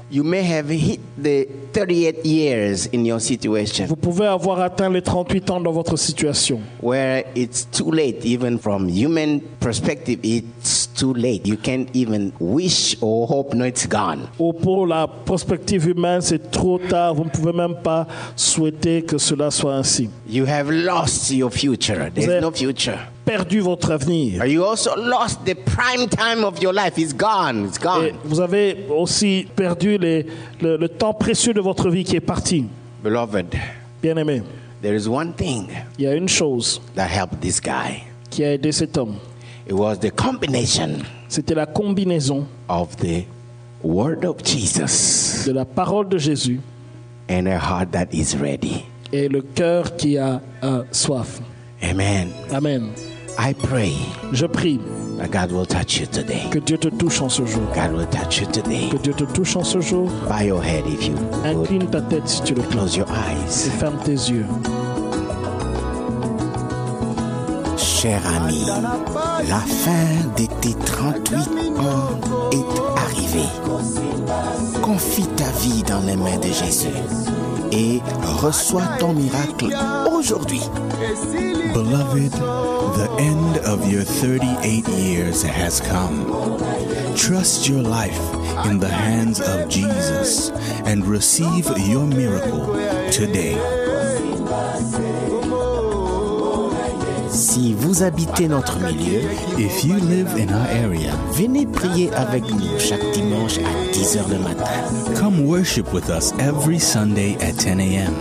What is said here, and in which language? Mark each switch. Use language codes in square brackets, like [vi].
[en] You may have hit the 38 years in your situation. [fr] Vous pouvez avoir atteint les 38 ans dans votre situation. [en] Where it's too late, even from human perspective, it's too late. You can't even wish or hope, no, it's gone. [fr] Ou pour la perspective humaine, c'est trop tard. Vous ne pouvez même pas souhaiter que cela soit ainsi. [en] You have lost your future. There's no future. [fr] Perdu votre avenir. [en] Are you also lost the prime time of your life? It's gone. It's gone. [fr] Et vous avez aussi perdu le temps précieux de votre vie qui est parti. [en] Beloved, [fr] bien-aimé, [en] there is one thing. [fr] Il y a une chose [en] that helped this guy. [fr] Qui a aidé cet homme. [en] It was the combination. [fr] C'était la combinaison [en] of the word of Jesus. [fr] De la parole de Jésus. [en] And a heart that is ready. [fr] Et le cœur qui a soif. [en] Amen. [fr] Amen. [en] I pray. [fr] Je prie. [en] That God will touch you today. [fr] Que Dieu te touche en ce jour. [en] God will touch you today. [fr] Que Dieu te touche en ce jour. [en] Bow your head if you. [fr] Incline ta tête si tu le. [en] Close your eyes. [fr] Et ferme tes yeux. Cher ami, la fin de tes 38 ans est arrivée. Confie ta vie dans les mains de Jésus. Et reçois ton miracle aujourd'hui. [en] Beloved, the end of your 38 years has come. Trust your life in the hands of Jesus and receive your miracle today. [fr] Si vous habitez notre milieu, [en] if you live in our area, [fr] venez prier avec nous chaque dimanche à 10h le matin. [en] Come worship with us every Sunday at 10 a.m.